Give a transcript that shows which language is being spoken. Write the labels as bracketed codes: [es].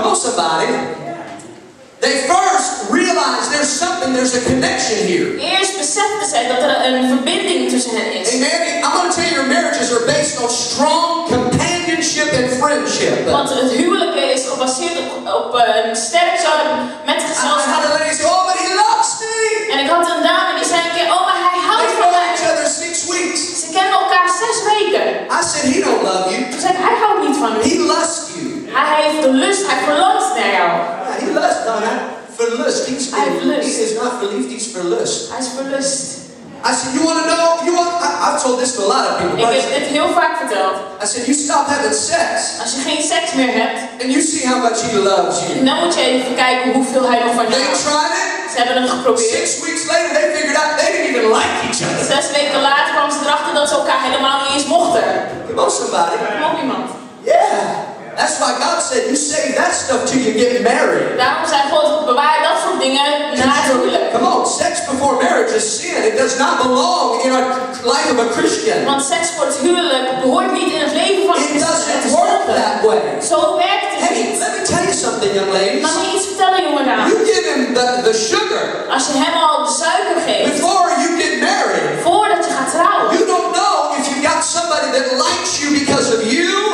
[en] Come on, somebody. They first realize there's something, there's a connection here. [nl] Eerst beseffen zij dat er een verbinding tussen hen is. [en] Hey Mary, I'm going to tell you, your marriages are based on strong companionship and friendship. [nl] Want het huwelijk is gebaseerd op een sterk zouden met gezelschap. [en] I had a lady say, oh, but he loves me. [nl] En ik had een dame die zei een keer, oh, maar hij houdt van mij. [en] They know each other 6 weeks. [nl] Ze kennen elkaar 6 weken. [en] I said, he don't love you. [nl] Toen zei ik, hij houdt niet van me. [en] He lusts you. [nl] Hij heeft de lust, hij maar hij verlust. Hij is verlust. Hij is niet verliefd, hij is verlust. Hij is verlust. [en] I said, you want to know? You want? I've told this to a lot of people. [nl] Ik heb het heel vaak verteld. [en] I said, you stop having sex. [nl] Als je geen seks meer hebt. [en] And you see how much he loves you. [nl] Dan moet je even kijken hoeveel hij nog van je houdt. [en] They tried it. [nl] Ze hebben het geprobeerd. [en] 6 weeks later, they figured out they didn't even like each other. [nl] 6 weken later kwamen ze erachter dat ze elkaar helemaal niet eens mochten. [en] Come on, somebody. Come on, [nl] iemand. [en] Yeah. That's why God said, you save that stuff till you get married. [nl] Daarom zei God, bewaar dat soort dingen na het huwelijk. [en] Come on, sex before marriage is sin. It does not belong in a life of a Christian. [nl] Want seks voor het huwelijk behoort niet in het leven van een [en] Christen. It doesn't work that way. [nl] Zo werkt het niet. [en] Hey, let me tell you something, young ladies. [nl] Laat me iets vertellen, jongedame. [en] You give him the sugar. [nl] Als je hem al de suiker geeft. [en] Before you get married. [nl] Voordat je gaat trouwen. [en] You don't know if you've got somebody that likes you because of you.